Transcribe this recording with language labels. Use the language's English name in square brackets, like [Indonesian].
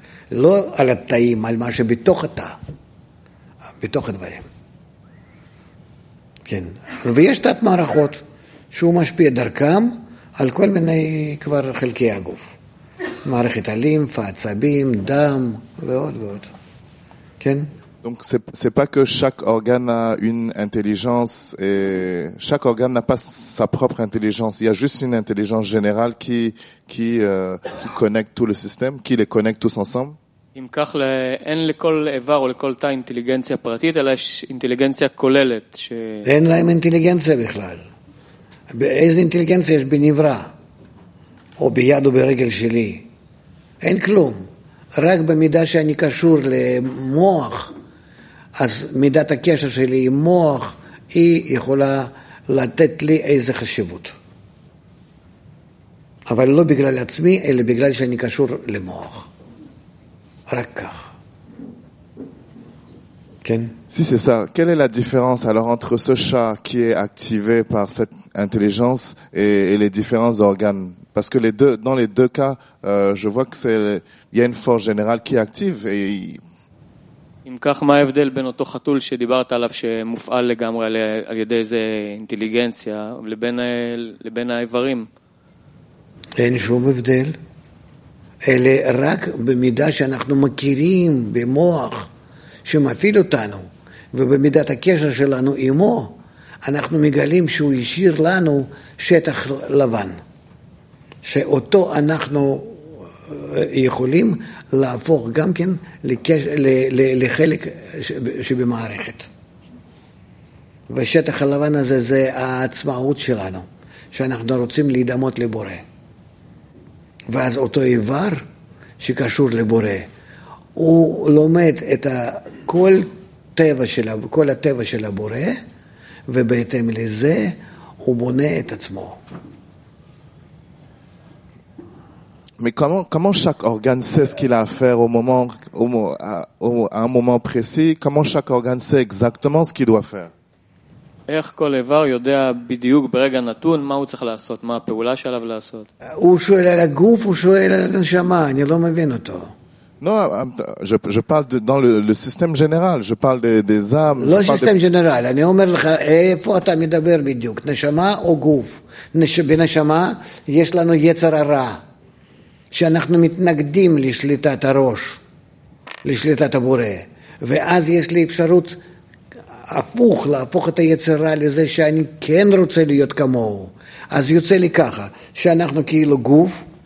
[Hebrew] לא על התאים, על מה שבתוך התא, בתוך הדברים. כן. ויש תת מערכות שהוא משפיע דרכם על כל מיני כבר חלקי הגוף. מערכת הלימפה, עצבים, דם ועוד ועוד. כן? [French] Donc c'est pas que chaque organe a une intelligence et chaque organe n'a pas sa propre intelligence, il y a juste une intelligence générale qui connecte tout le système, qui les connecte tous ensemble. [Hebrew] אם כך אין לכל איבר או לכל תא אינטליגנציה פרטית, אלא יש אינטליגנציה כוללת ש... אין להם אינטליגנציה בכלל. איזה אינטליגנציה יש בנברא? או ביד או ברגל שלי? אין כלום. רק במידה שאני קשור למוח, אז מידת הקשר שלי עם מוח, היא יכולה לתת לי איזה חשיבות. אבל לא בגלל עצמי, אלא בגלל שאני קשור למוח. רק כך. כן? [French] Si c'est ça, quelle est la différence alors entre ce chat qui est activé par cette intelligence et les différents organes? Parce que les deux, dans les deux cas, je vois que c'est, il y a une force générale qui est active et... [Hebrew] אם כך, מה ההבדל בין אותו חתול שדיברת עליו שמופעל לגמרי על ידי איזה אינטליגנציה לבין האיברים? אין שום הבדל. אלה רק במידה שאנחנו מכירים במוח שמפעיל אותנו, ובמידת הקשר שלנו עמו, אנחנו מגלים שהוא השאיר לנו שטח לבן, שאותו אנחנו יכולים להפוך גם כן לחלק שבמערכת. ושטח הלבן הזה זה העצמאות שלנו, שאנחנו רוצים להידמות לבורא. ואז אותו איבר שקשור לבורא, הוא לומד את כל טבע של כל הטבע של הבורא, ובהתאם לזה הוא בונה את עצמו. [French] Mais comment chaque organe sait ce qu'il a à faire au moment à un moment précis? Comment chaque organe sait exactement ce qu'il doit faire? [Hebrew] איך כל איבר יודע בדיוק ברגע נתון מה הוא צריך לעשות, מה הפעולה שעליו לעשות? הוא שואל על הגוף, הוא שואל על הנשמה, אני לא מבין אותו. [French] No, je parle dans le système général, je parle des âmes. [Hebrew] לא סיסטם ג'נרל, אני אומר לך, איפה אתה מדבר בדיוק, נשמה או גוף? בנשמה יש לנו יצר הרע, שאנחנו מתנגדים לשליטת הראש, לשליטת הבורא, ואז יש לי אפשרות הפוך, להפוך את היצרה לזה שאני כן רוצה להיות כמוהו. אז יוצא לי ככה, שאנחנו כאילו גוף,